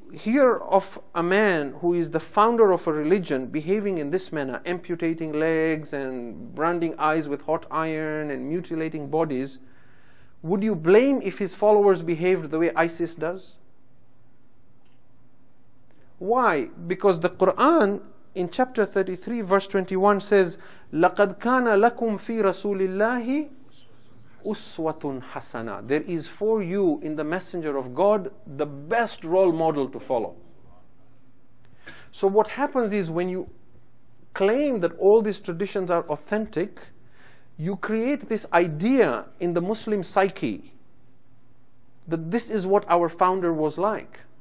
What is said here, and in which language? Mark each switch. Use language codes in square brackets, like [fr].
[en] hear of a man who is the founder of a religion behaving in this manner, amputating legs and branding eyes with hot iron and mutilating bodies, would you blame if his followers behaved the way ISIS does? Why? Because the Quran in chapter 33, verse 21 says, [ar] لَقَدْ كَانَ لَكُمْ فِي رَسُولِ اللَّهِ أُسْوَةٌ حَسَنًا. [en] There is for you in the Messenger of God the best role model to follow. So what happens is when you claim that all these traditions are authentic, you create this idea in the Muslim psyche that this is what our founder was like.